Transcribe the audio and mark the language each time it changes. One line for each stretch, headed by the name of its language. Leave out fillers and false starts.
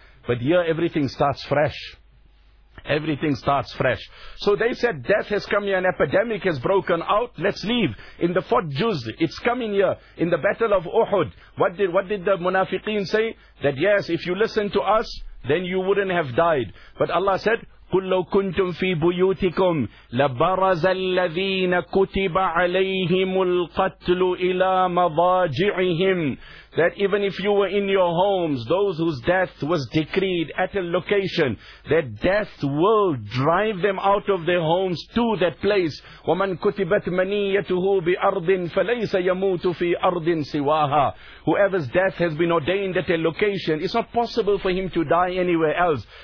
English: But here everything starts fresh. Everything starts fresh. So they said, death has come here, an epidemic has broken out, let's leave. In the fourth Juz, it's coming here, in the battle of Uhud. What did the munafiqeen say? That yes, if you listen to us, then you wouldn't have died. But Allah said,
Arabic: قُلْ لَوْ كُنْتُمْ فِي بُيُوتِكُمْ لَبَرَزَ الَّذِينَ كُتِبَ عَلَيْهِمُ الْقَتْلُ إِلَى مَضَاجِعِهِمْ.
English: That even if you were in your homes, those whose death was decreed at a location, that death will drive them out of their homes to that place.
Arabic: وَمَنْ كُتِبَتْ مَنِيَّتُهُ بِأَرْضٍ فَلَيْسَ يَمُوتُ فِي أَرْضٍ سِوَاهَا.
English: Whoever's death has been ordained at a location, it's not possible for him to die anywhere else.